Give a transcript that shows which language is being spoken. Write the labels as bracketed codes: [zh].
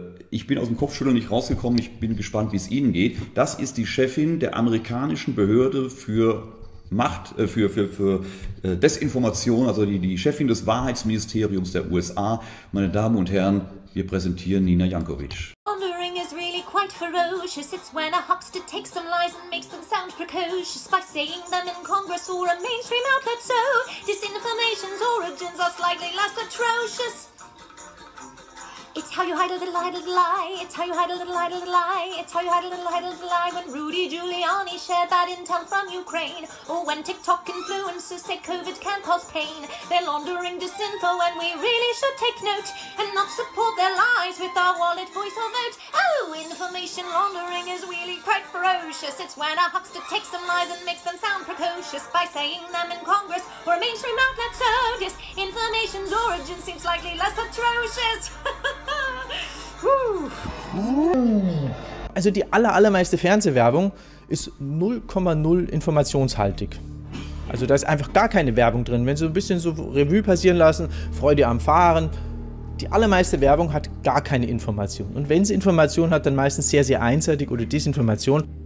[de] Ich bin aus dem Kopfschütteln nicht rausgekommen. Ich bin gespannt, wie es Ihnen geht. Das ist die Chefin der amerikanischen Behörde für Macht, Desinformation, also die Chefin des Wahrheitsministeriums der USA. Meine Damen und Herren, wir präsentieren Nina Jankovic. [en] Wandering is really quite ferocious. It's when a huckster takes some lies and makes them sound precocious by saying them in Congress or a mainstream outlet. So disinformation's origins are slightly less atrocious. It's how you hide a little, hide a little lie. It's how you hide a little, hide a little lie. It's how you hide a little lie. When Rudy Giuliani shared bad intel from Ukraine, or when TikTok influencers say COVID can cause pain, they're laundering disinfo when we really should take note and not support their lies with our wallet, voice or vote. Oh, information laundering is really quite ferocious. It's when a huckster takes some lies and makes them sound precocious by saying them in Congress or a mainstream outlet. So disinformation's origin seems likely less atrocious. [de] Also die allermeiste Fernsehwerbung ist 0,0 informationshaltig. Also da ist einfach gar keine Werbung drin. Wenn Sie ein bisschen so Revue passieren lassen, Freude am Fahren. Die allermeiste Werbung hat gar keine Information. Und wenn sie Information hat, dann meistens sehr, sehr einseitig oder Desinformation.